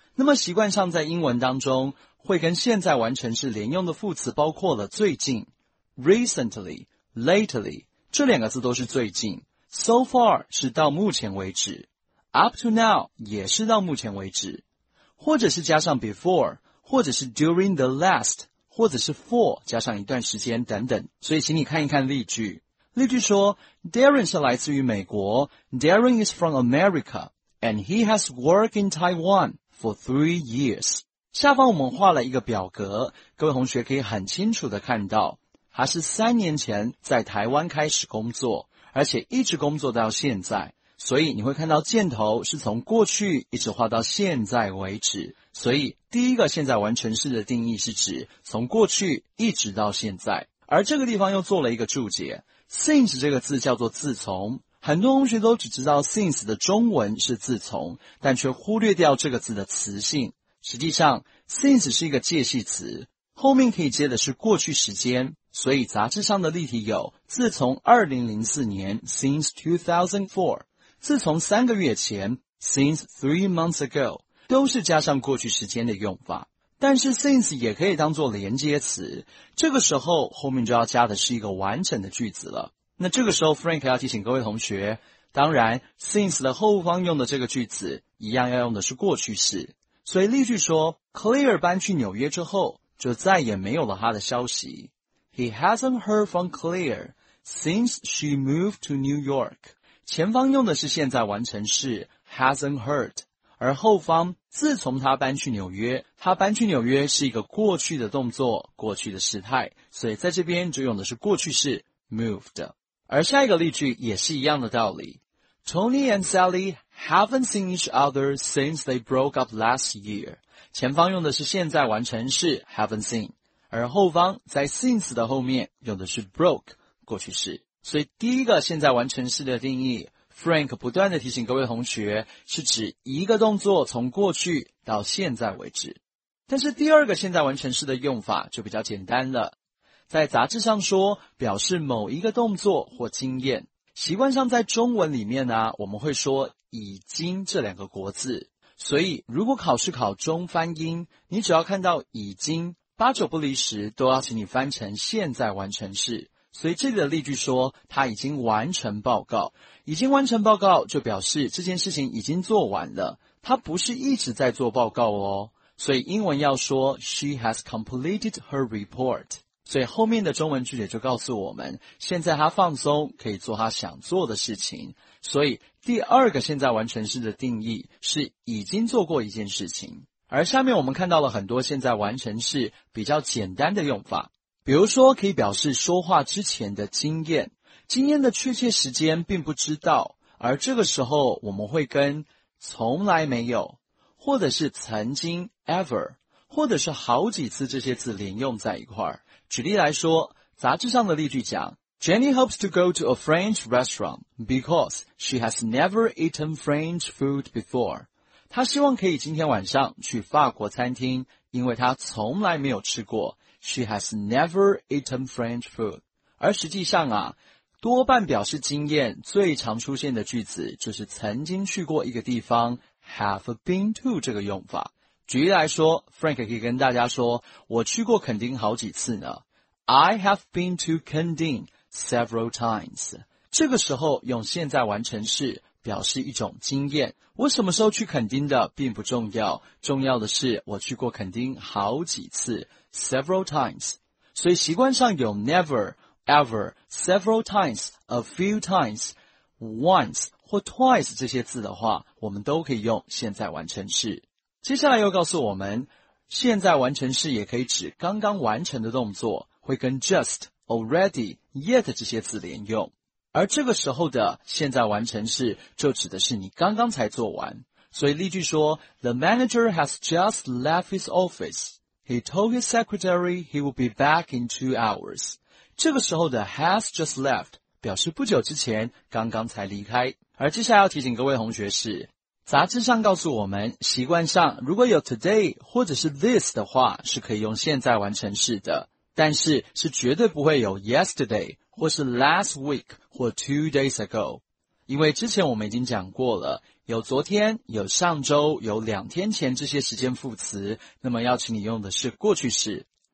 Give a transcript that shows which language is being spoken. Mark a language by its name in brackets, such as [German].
[Chinese] 那么习惯上在英文当中会跟现在完成式连用的副词包括了最近 [English] recently, lately, [Chinese] 这两个字都是最近， [English] so far [Chinese] 是到目前为止， [English] up to now [Chinese] 也是到目前为止，或者是加上 before, 或者是 [English] during the last, [Chinese] 或者是 for 加上一段时间等等。所以请你看一看例句，例句说 [English] Darren [Chinese] 是来自于美国， [English] Darren is from America and he has worked in Taiwan for 3 years。 [Chinese] 下方我们画了一个表格，各位同学可以很清楚的看到他是三年前在台湾开始工作，而且一直工作到现在，所以你会看到箭头是从过去一直画到现在为止。所以第一个现在完成式的定义是指从过去一直到现在。而这个地方又做了一个注解， since 这个字叫做自从，很多同学都只知道 since 的中文是自从，但却忽略掉这个字的词性。实际上 since 是一个介系词，后面可以接的是过去时间，所以杂志上的例题有自从2004年 [English] since 2004, [Chinese] 自从三个月前 [English] since 3 months ago, [Chinese] 都是加上过去时间的用法。但是 since 也可以当作连接词，这个时候后面就要加的是一个完整的句子了。那这个时候 Frank 要提醒各位同学，当然 since 的后方用的这个句子一样要用的是过去式。所以例句说 Claire 搬去纽约之后就再也没有了他的消息， [English] He hasn't heard from Claire since she moved to New York。 [Chinese] 前方用的是现在完成式 [English] hasn't heard, [Chinese] 而后方自从他搬去纽约，他搬去纽约是一个过去的动作，过去的时态，所以在这边就用的是过去式 moved。而下一个例句也是一样的道理， [English] Tony and Sally haven't seen each other since they broke up last year。 [Chinese] 前方用的是现在完成式 [English] haven't seen, [Chinese] 而后方在 since 的后面用的是 broke 过去式。所以第一个现在完成式的定义，Frank 不断地提醒各位同学，是指一个动作从过去到现在为止。但是第二个现在完成式的用法就比较简单了，在杂志上说表示某一个动作或经验，习惯上在中文里面呢，我们会说已经这两个国字，所以如果考试考中翻英，你只要看到已经，八九不离十都要请你翻成现在完成式。所以这里的例句说他已经完成报告，已经完成报告就表示这件事情已经做完了，他不是一直在做报告哦。所以英文要说 [English] She has completed her report。 [Chinese] 所以后面的中文句子就告诉我们，现在他放松可以做他想做的事情。所以第二个现在完成式的定义是已经做过一件事情。而下面我们看到了很多现在完成式比较简单的用法，比如说可以表示说话之前的经验，经验的确切时间并不知道，而这个时候我们会跟从来没有，或者是曾经 ever, 或者是好几次这些字连用在一块儿。举例来说，杂志上的例句讲 [English] Jenny hopes to go to a French restaurant because she has never eaten French food before。 [Chinese] 她希望可以今天晚上去法国餐厅，因为她从来没有吃过。 [English] She has never eaten French food。 [Chinese] 而实际上啊，多半表示经验最常出现的句子就是曾经去过一个地方 have been to 这个用法。举例来说， Frank 可以跟大家说，我去过垦丁好几次呢， [English] I have been to [Chinese] 垦丁 [English] several times。 [Chinese] 这个时候用现在完成式表示一种经验，我什么时候去垦丁的并不重要，重要的是我去过垦丁好几次 [English] several times。 [Chinese] 所以习惯上有 never [English] ever, several times, a few times, once [Chinese] 或 twice 这些字的话，我们都可以用现在完成式。接下来又告诉我们，现在完成式也可以指刚刚完成的动作，会跟 just、already、yet 这些字连用。而这个时候的现在完成式就指的是你刚刚才做完。所以例句说 [English] ,The manager has just left his office. He told his secretary he will be back in 2 hours. [Chinese] 这个时候的 [English] has just left [Chinese] 表示不久之前刚刚才离开。而接下来要提醒各位同学是，杂志上告诉我们，习惯上如果有 today 或者是 this 的话是可以用现在完成式的，但是是绝对不会有 yesterday 或是 [English] last week [Chinese] 或 [English] 2 days ago， [Chinese] 因为之前我们已经讲过了，有昨天、有上周、有两天前这些时间副词，那么要请你用的是过去式。